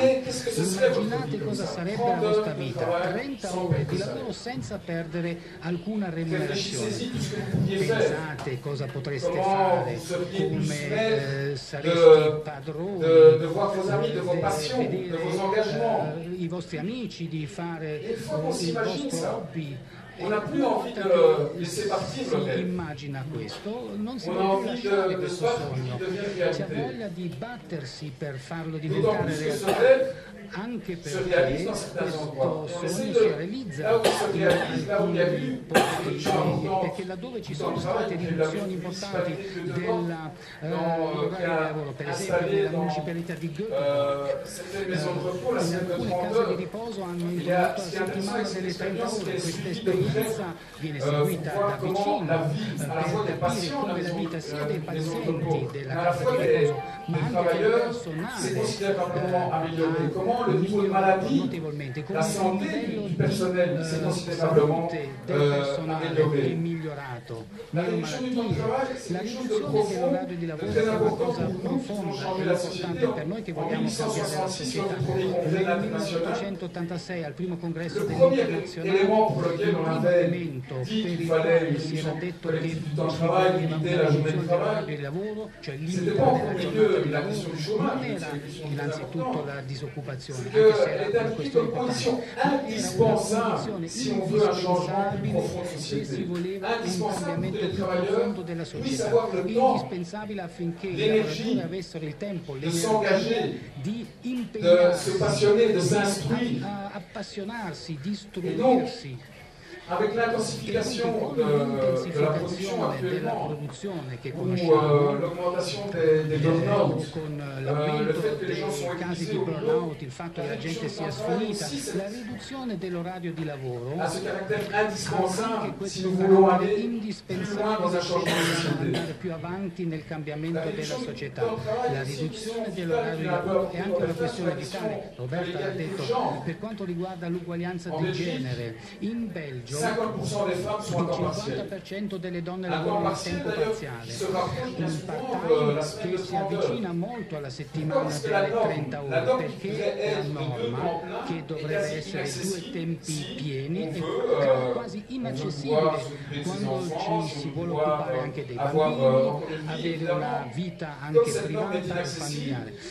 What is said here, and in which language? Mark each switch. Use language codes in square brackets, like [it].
[it] Immaginate cosa sarebbe la vostra vita, 30 ore di lavoro senza perdere alcuna remunerazione. Pensate cosa potreste fare, come sareste padroni di vedere i vostri amici, di fare il vostro hobby. [fr] On a plus envie de laisser partir le rêve. [it] Immagina questo, non si può lasciare questo sogno. C'è voglia di battersi per farlo diventare realtà. Anche perché questo sogno si realizza in alcuni posti, perché laddove ci sono state riduzioni importanti dell'orario di lavoro, per esempio nella municipalità di Göteborg, in alcune case di riposo hanno introdotto la settimana delle 30 ore. Questa esperienza viene seguita da vicino per capire come la vita sia dei pazienti della casa di riposo, ma anche del personale. [fr] Le niveau de maladie, la santé du personnel s'est considérablement amélioré. La réduction du temps de travail, c'est une chose de profond, très importante pour nous qui voulons changer la société. En 1866, lors du premier congrès de la National, le premier élément pour lequel on avait dit qu'il fallait une réduction collective du temps de travail, limiter la journée de travail, c'était pas en premier lieu la question du chômage, c'est une question très importante. C'est que l'État est une condition indispensable si on veut un changement plus profond de société. [it] Un cambiamento più profondo della società, indispensabile affinché i lavoratori avessero il tempo, l'energia di impegnarsi, di appassionarsi, di istruirsi. [fr] Avec l'intensification de la production actuellement, ou l'augmentation des burn-out, le fait que les gens sont épuisés au burn-out, [it] il fatto che la gente sia sfinita, la riduzione dell'orario di lavoro [fr] a ce caractère indispensable si nous voulons aller plus loin dans un changement de société. [it] Andare più avanti nel cambiamento della società. La riduzione dell'orario di lavoro è anche una questione vitale. Roberta l'ha detto, per quanto riguarda l'uguaglianza di genere, in Belgio 50% delle donne lavorano a tempo parziale. Un part-time che si avvicina molto alla settimana delle 30 ore, perché è la norma che dovrebbe essere due tempi pieni e quasi inaccessibile quando ci si vuole occupare anche dei bambini, avere una vita anche privata e familiare.